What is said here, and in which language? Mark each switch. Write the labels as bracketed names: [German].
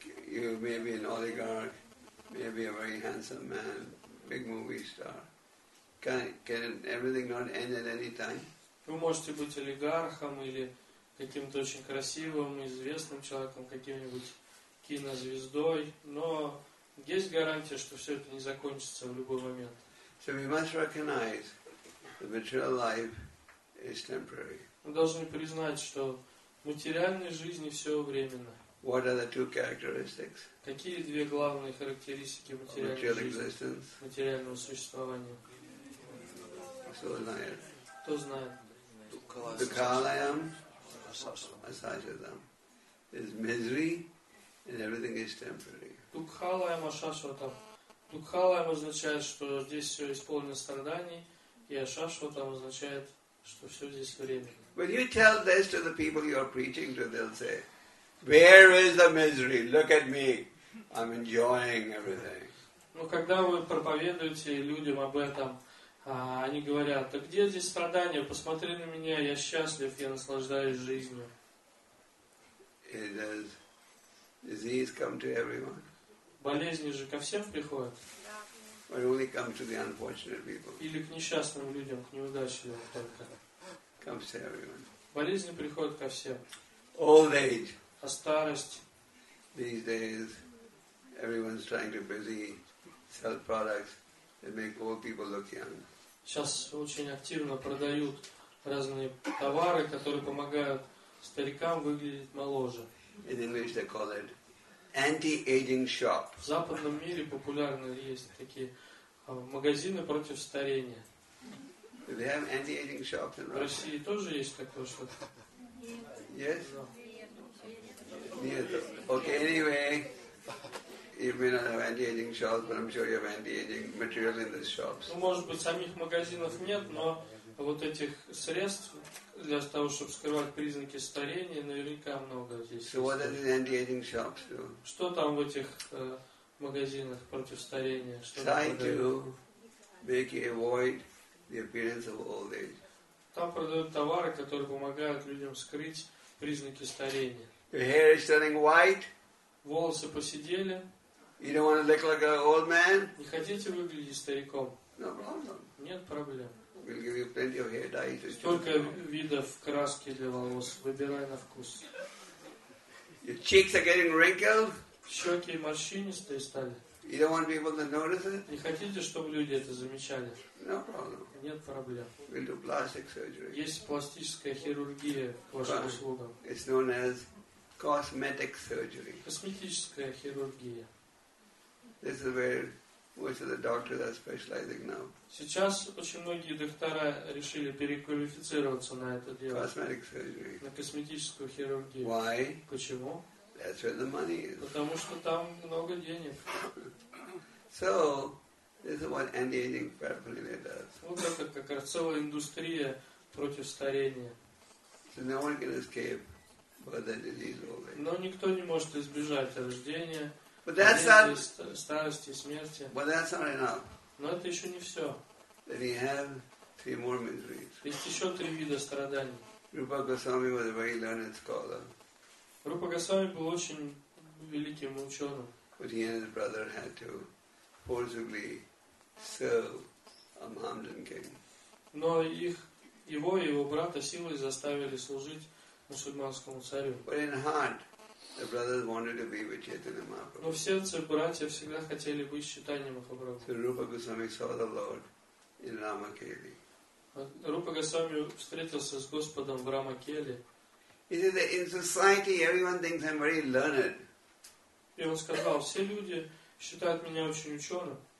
[English] You may be an oligarch, may be a very handsome man, big movie star. Can everything not end at any time? [Russian] Вы можете быть олигархом или каким-то очень красивым, известным человеком, каким-нибудь кинозвездой, но есть гарантия, что все это не закончится в любой момент. [English] So we must recognize that material life is temporary. [Russian] Мы должны признать, что материальная жизнь все временно. [English] What are the two characteristics? [Russian] Какие две главные характеристики материальной жизни, материального существования? Кто знает? Кто знает? [Sanskrit] Дукалаям, асашадам. [English] There's misery and everything is temporary. [Sanskrit] Дукхалаям ашашватам. [Russian] Дукхалаям означает, что здесь все исполнено страданий, и ашашватам означает, что все здесь временно. [English] When you tell this to the people you are preaching to, they'll say, where is the misery? Look at me. I'm enjoying everything. [Russian] Но когда вы проповедуете людям об этом, они говорят, а где здесь страдания? Посмотри на меня, я счастлив, я наслаждаюсь жизнью. [English] Does disease come to everyone? [Russian] Болезни же ко всем приходят. [English] But only come to the unfortunate people. [Russian] Или к несчастным людям, к неудачливым только. [English] Comes to everyone. [Russian] Болезни приходят ко всем. [English] Old age. [Russian] А старость. [English] These days, everyone's trying to busy sell products that make old people look young. [Russian] Сейчас очень активно продают разные товары, которые помогают старикам выглядеть моложе. [English] In English, they call it anti-aging shop. [Russian] В западном мире популярны есть такие магазины против старения. [English] They have anti-aging shops in Russia. [Russian] В России тоже есть такое что-то. [English] Yes? [Russian] Нет. [English] Okay, anyway, you may not have anti-aging shops, but I'm sure you have anti-aging material in the shops. [Russian] Ну, может быть, самих магазинов нет, но вот этих средств для того, чтобы скрывать признаки старения, наверняка много здесь. [English] So what are the anti-aging shops do? [Russian] Что там в этих магазинах против старения? [English] Try to make you avoid the appearance of old age. [Russian] Там продают товары, которые помогают людям скрыть признаки старения. [English] Your hair is turning white. [Russian] Волосы поседели. [English] You don't want to look like an old man. [Russian] Не хотите выглядеть стариком? [English] No problem. [Russian] Нет проблем. [English] We'll give you plenty of hair dye to [Russian] Столько [English] choose. [Russian] Видов краски для волос. Выбирай на вкус. [English] Your cheeks are getting wrinkled. [Russian] Щеки морщинистые стали. [English] You don't want people to notice it? [Russian] Не хотите, чтобы люди это замечали? [English] No problem. [Russian] Нет проблем. [English] We'll do plastic surgery. [Russian] Есть пластическая хирургия к вашим услугам. [English] It's known as cosmetic surgery. [Russian] Косметическая хирургия. [English] This is where Most of the doctors are specializing now. [Russian] Сейчас очень многие доктора решили переквалифицироваться на это дело. [English] Cosmetic surgery. [Russian] На косметическую хирургию. [English] Why? [Russian] Почему? [English] That's where the money is. [Russian] Потому что там много денег. [English] So, this is what anti-aging paraphernalia does. [Russian] Вот это как раз целая индустрия против старения. [English] So no one can escape but the disease already. [Russian] Но никто не может избежать рождения. [English] But that's not. [Russian] Старости, смерти. [English] But that's not enough. [Russian] Но это еще не все. [English] Then you have three more miseries. [Russian] Есть еще три вида страданий. [English] Rupa Goswami was a very learned scholar. [Russian] Rupa Goswami был очень великим ученым. [English] But he and his brother had to forcibly serve a Mohammedan king. [Russian] Но их, его и его брата силой заставили служить мусульманскому царю. [English] But in heart. The brothers wanted to be with Chaitanya Mahaprabhu. [Russian] Но в сердце братья всегда хотели быть с Чайтанья Махапрабху. [English] So Rupa Goswami saw the Lord in Ramakeli. [Russian] Rupa Goswami встретился с Господом в Рамакели. [English] He said that in society everyone thinks I'm very learned. [Russian] И он сказал, все люди считают меня очень ученым.